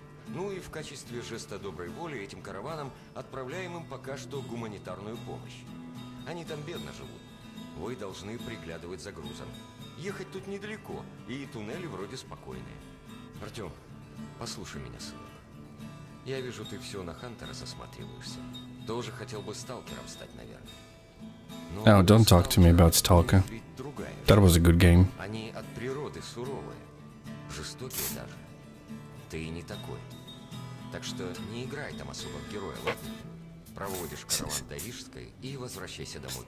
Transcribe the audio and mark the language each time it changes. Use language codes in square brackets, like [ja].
[ru] Ну и в качестве жеста доброй воли этим караванам отправляем им пока что гуманитарную помощь. Они там бедно живут. Вы должны приглядывать за грузом. Ехать тут недалеко, и туннели вроде спокойные. Артём, послушай меня, сынок. Я вижу, ты все на Хантера засматриваешься. Тоже хотел бы сталкером стать, наверное. [en] Но oh, don't talk to me about Stalker. That was a good game. [ru] Они от природы суровые, жестокие даже. Ты не такой. Так что не играй там особо в героя, ладно? Проводишь караван до Рижской и возвращайся домой.